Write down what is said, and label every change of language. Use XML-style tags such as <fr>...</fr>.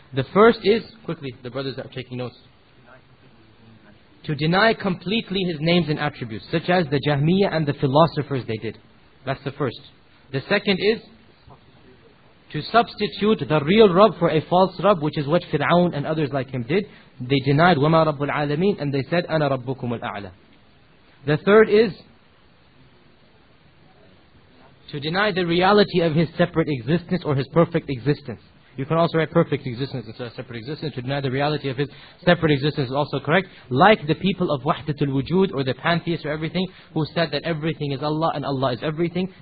<en>The first is, quickly, the brothers are taking notes. To deny completely his names and attributes, such as the Jahmiya and the philosophers they did. That's the first. The second is, to substitute the real Rabb for a false Rabb, which is what Fir'aun and others like him did. They denied</en> <ar>وَمَا رَبُّ الْعَالَمِينَ</ar> <en>and they said</en> <ar>أَنَا رَبُّكُمُ الْأَعْلَى.</ar> <en>The third is to deny the reality of his separate existence or his perfect existence. You can also write perfect existence instead of separate existence. To deny the reality of his separate existence is also correct. Like the people of Wahdatul Wujud or the pantheists or everything who said that everything is Allah and Allah is everything.</en>